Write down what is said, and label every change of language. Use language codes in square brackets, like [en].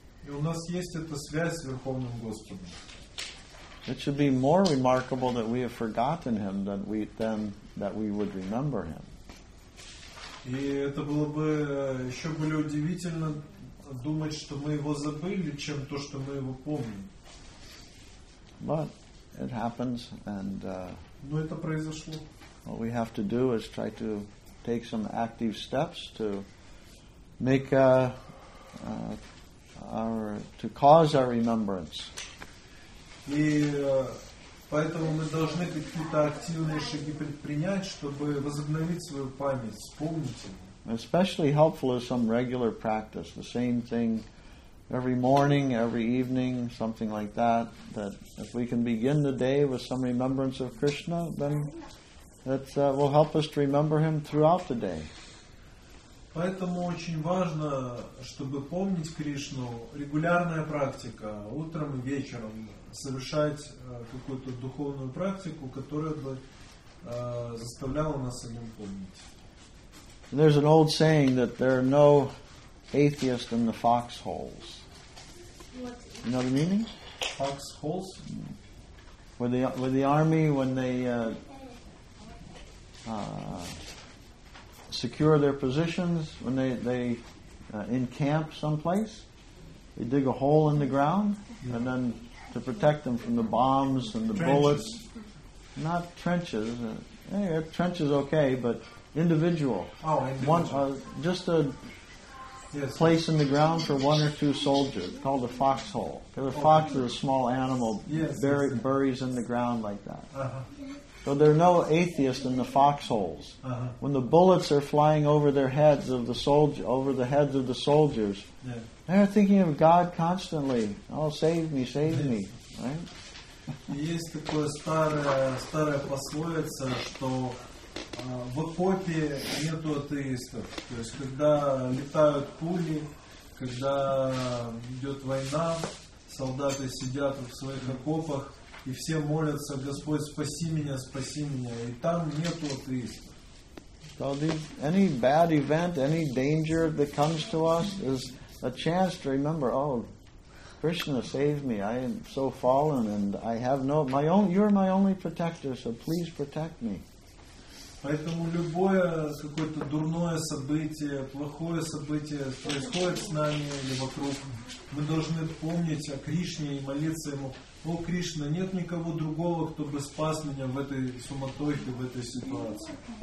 [ru] И у нас есть эта связь с Верховным Господом. [en] It should be more remarkable that we have forgotten Him than that we would remember Him. [ru] И это было бы еще более удивительно думать, что мы его забыли, чем то, что мы его помним. [en] But it happens, and [ru] но это произошло. [en] What we have to do is try to take some active steps to make to cause our remembrance. [ru] И поэтому мы должны какие-то активные шаги предпринять, чтобы возобновить свою память, вспомнить. [en] Especially helpful is some regular practice, the same thing every morning, every evening, something like that. That if we can begin the day with some remembrance of Krishna, then that will help us to remember him throughout the day. [ru] Поэтому очень важно, чтобы помнить Кришну, регулярная практика, утром и вечером, совершать какую-то духовную практику, которая бы заставляла нас о нем помнить. [en] And there's an old saying that there are no atheists in the foxholes. You know the meaning? Foxholes? Where the army, when they secure their positions, when they encamp someplace, they dig a hole in the ground, and then to protect them from the bombs and the trenches. Bullets. Not trenches. Yeah, trenches okay, but individual. Oh, individual. Just a place in the ground for one or two soldiers, called a foxhole. Because fox is a small animal, buries in the ground like that. Uh-huh. So there are no atheists in the foxholes. Uh-huh. When the bullets are flying over their heads of the soldier, over the heads of the soldiers, they're thinking of God constantly. Oh, save me, save me. Right? [ru] Есть такое старое пословица, что в окопе нету атеистов. То есть, когда летают пули, когда идет война, солдаты сидят в своих окопах и все молятся: Господь, спаси меня, спаси меня. И там нету атеистов. [en] So any bad event, any danger that comes to us is a chance to remember, oh, Krishna, save me. I am so fallen and I have no... You're my only protector, so please protect me. [ru] Поэтому любое какое-то дурное событие, плохое событие происходит с нами или вокруг. Мы должны помнить о Кришне и молиться ему: о Кришна, нет никого другого, кто бы спас меня в этой суматохе, в этой ситуации.